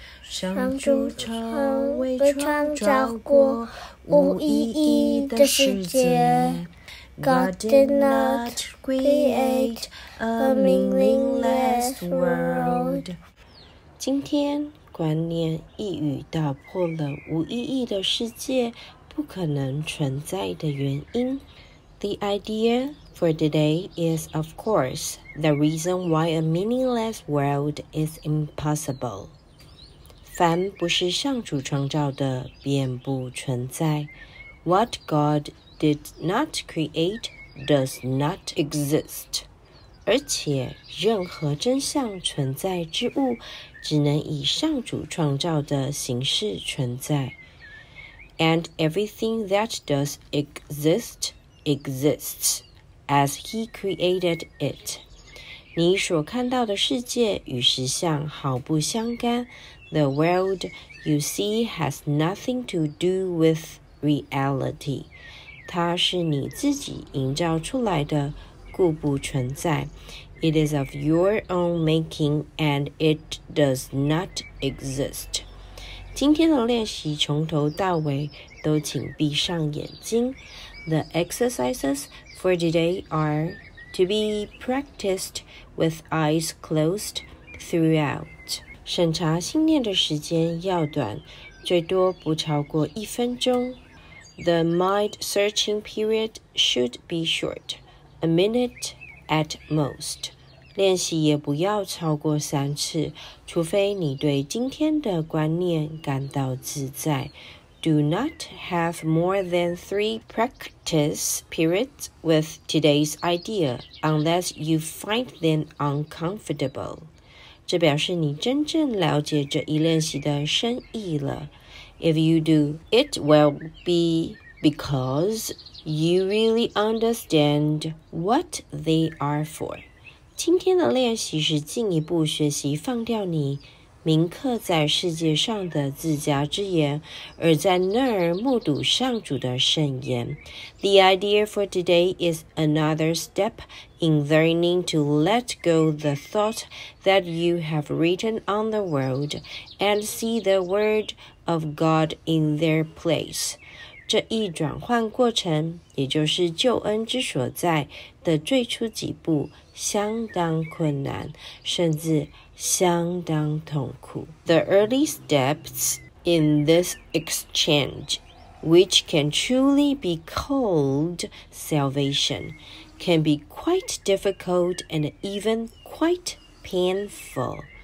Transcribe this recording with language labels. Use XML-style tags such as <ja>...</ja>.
<zh>上主从未创造过无意义的世界。</zh> <en>God did not create a meaningless world。</en> <zh>今天观念一语道破了无意义的世界不可能存在的原因。</zh> <en>The idea for today is, of course, the reason why a meaningless world is impossible.</en> <zh>凡不是上主创造的便不存在。</zh> <en>What God did not create does not exist.</en> <zh>而且任何真相存在之物只能以上主创造的形式存在。</zh> <en>And everything that does exist exists as he created it.</en> <zh>你所看到的世界与实相毫不相干。</zh> <en>The world you see has nothing to do with reality.</en> <zh>它是你自己营造出来的故不存在。</zh> <en>It is of your own making and it does not exist.</en> <zh>今天的练习从头到尾都请闭上眼睛。</zh> <en>The exercises for today are to be practiced with eyes closed throughout.</en> <zh>审查信念的时间要短，最多不超过一分钟。</zh> <en>The mind searching period should be short. A minute at most.</en> <zh>练习也不要超过三次，除非你对今天的观念感到自在。</zh> <en>Do not have more than 3 practice periods with today's idea unless you find them uncomfortable.</en> <zh>这表示你真正了解这一练习的深意了。</zh> <en>If you do, it will be because... You really understand what they are for.</en> <zh>今天的练习是进一步学习放掉你铭刻在世界上的自家之言，而在那儿目睹上主的圣言。</zh> <en>The idea for today is another step in learning to let go the thought that you have written on the world and see the word of God in their place.</en> <zh>这一转换过程，也就是救恩之所在的最初几步，相当困难，甚至相当痛苦。</zh> <en>The early steps in this exchange, which can truly be called salvation, can be quite difficult and even quite painful.</en>